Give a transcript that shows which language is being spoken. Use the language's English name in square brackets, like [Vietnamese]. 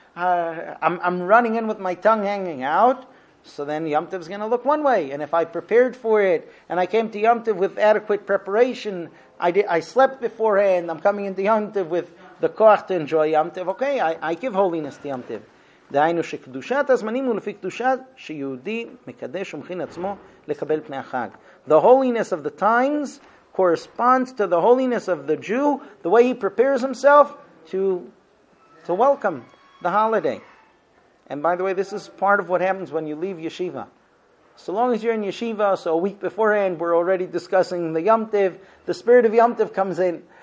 [English] I'm running in with my tongue hanging out, so then Yom Tov's going to look one way. And if I prepared for it, and I came to Yom Tov with adequate preparation, I slept beforehand, I'm coming into Yom Tov with the koach to enjoy Yom Tov, okay, I give holiness to Yom Tov. [Hebrew] דהיינו שקדושת הזמנים הוא לפי קדושה שיהודי מקדש ומכין עצמו לקבל פני החג. [English] The holiness of the times corresponds to the holiness of the Jew, the way he prepares himself to welcome the holiday. And by the way, this is part of what happens when you leave yeshiva. So long as you're in yeshiva, so a week beforehand we're already discussing the Yom Tov, the spirit of Yom Tov comes in.